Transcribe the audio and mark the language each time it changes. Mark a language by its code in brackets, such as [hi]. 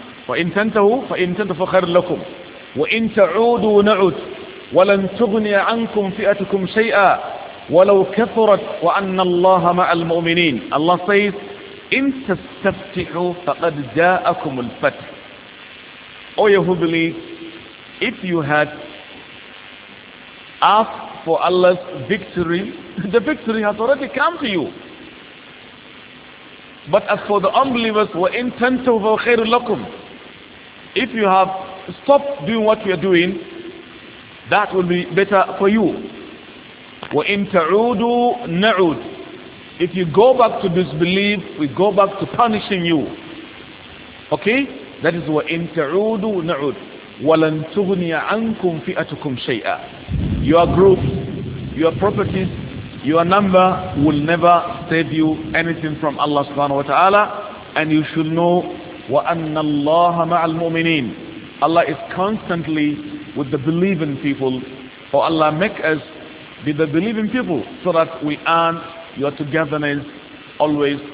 [ar] وإن تنتهوا فإن تنتهوا فخير لكم. وإن تعودوا نعود ولن تغني عنكم فئتكم شيئا ولو كثرت وأن الله مع المؤمنين. الله [en] says [ar] إن تستفتحوا فقد جاءكم الفتح. [en] Oh you who believe, if you had asked for Allah's victory, the victory has already come to you. But as for the unbelievers, [ar] وَإِن تَنْتَوْا فَخَيْرٌ لَكُمْ, [en] if you have stopped doing what you are doing, that will be better for you. [ar] وَإِن تَعُودُوا نَعُودْ, [en] if you go back to disbelief, we go back to punishing you. Okay? That is [ar] وَإِن تَعُودُوا نَعُودْ وَلَنْ تُغْنِيَ عَنْكُمْ فِئَتُكُمْ شَيْئًا. [en] Your group, your properties, your number will never save you anything from Allah subhanahu wa ta'ala. And you should know [ar] وَأَنَّ اللَّهَ مَعَ الْمُؤْمِنِينَ, [en] Allah is constantly with the believing people. For Allah, make us be the believing people so that we earn your togetherness always.